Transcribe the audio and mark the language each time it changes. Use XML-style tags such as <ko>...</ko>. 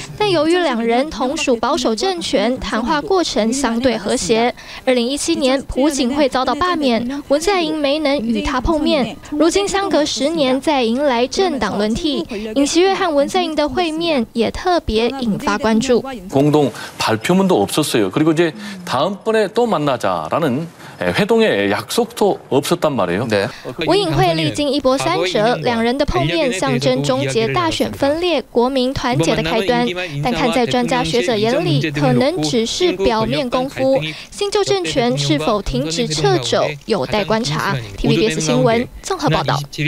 <zh>但由于两人同属保守政权，谈话过程相对和谐。 2017年，朴槿惠遭到罢免，文在寅没能与他碰面。如今相隔10年，再迎来政党轮替，尹锡悦和文在寅的会面也特别引发关注。</zh> <ko>공동발표문도없었어요그리고이제다음번에또만나자라는회동의약속도없었단말이에요 네</ko> <zh>吴颖慧历经一波三折，两人的碰面象征终结大选分裂、国民团结的开端。但看在专家学者眼里，可能只是表面功夫。新旧政权是否停止撤肘，有待观察。TVBS 新闻综合报道。</zh>